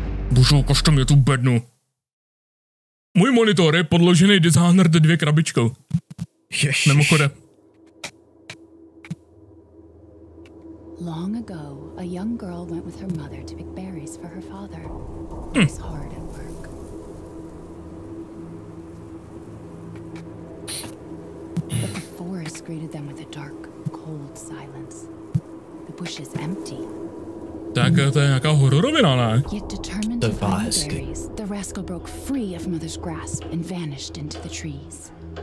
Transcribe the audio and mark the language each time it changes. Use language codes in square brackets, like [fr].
[cs] Bože, ukažte mě tu bednu. Můj monitor je podložený Dishunred 2 krabičkou. Ježiš. Mimochodem. [en] Long ago, a young girl went with her mother to pick berries for her father. It's hard at work. But the forest greeted them with a dark, cold silence. The bushes empty. [cs] Tak to je nějaká hororovina, ne? [en] Yet determined to find the berries, the rascal broke free of mother's grasp and vanished into the trees.